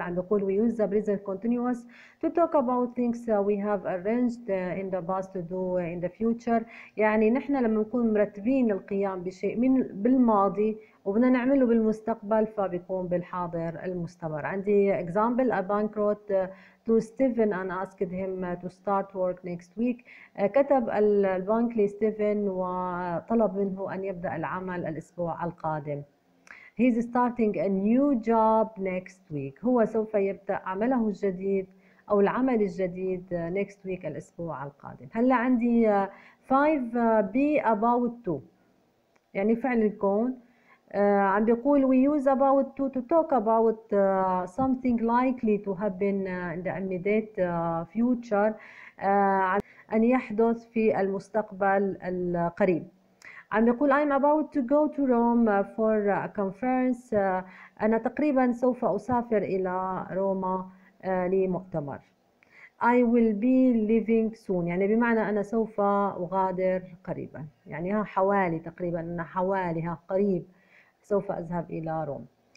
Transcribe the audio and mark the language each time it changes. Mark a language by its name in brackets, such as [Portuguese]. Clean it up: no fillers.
[Arabic] عم بيقول [English] we use the present continuous to talk about things we have arranged in the past to do in the future. [Arabic] يعني نحن لما نكون مرتبين القيام بشيء من بالماضي وبدنا نعمله بالمستقبل فبيكون بالحاضر المستمر. عندي [English] example a bank wrote to Stephen and asked him to start work next week. [Arabic] كتب البنك لستيفن وطلب منه أن يبدأ العمل الأسبوع القادم. [English] He's starting a new job next week. [Arabic] هو سوف يبدأ عمله الجديد أو العمل الجديد [English] next week [Arabic] الأسبوع القادم. هلا عندي 5 [English] be about to، [Arabic] يعني فعل الكون. عم بيقول [English] we use about to talk about something likely to happen in the immediate future، [Arabic] أن يحدث في المستقبل القريب. عم بيقول [English] I'm about to go to Rome for a conference. [Arabic] أنا تقريبا سوف أسافر إلى روما لمؤتمر. [English] I will be leaving soon، [Arabic] يعني بمعنى أنا سوف أغادر قريبا، يعني ها حوالي تقريبا، أنا حوالي ها قريب سوف أذهب إلى روم.